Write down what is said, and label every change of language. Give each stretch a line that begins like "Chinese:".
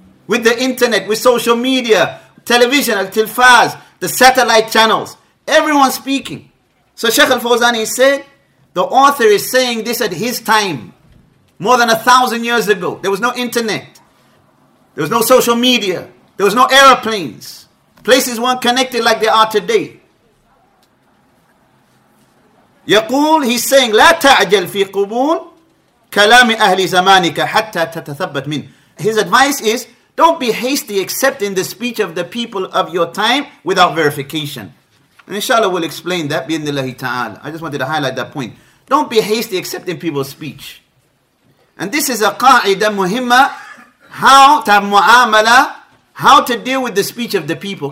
English: With the internet, with social media, television, Al-Tilfaz, the satellite channels, everyone speaking. So Sheikh Al-Fawzani said, the author is saying this at his time, more than 1,000 years ago. There was no internet. There was no social media. There was no airplanes. Places weren't connected like they are today.
Arabic: يقول,
English: he's saying,
Arabic: لا تعجل في قبول كلام أهل زمانك حتى تتثبت من.
English: His advice is, don't be hasty accepting the speech of the people of your time without verification. Inshallah, we'll explain that, bi'idhnillahi ta'ala. I just wanted to highlight that point. Don't be hasty accepting people's speech. And this is a qa'ida muhimma, how to have mu'amala, how to deal with the speech of the people.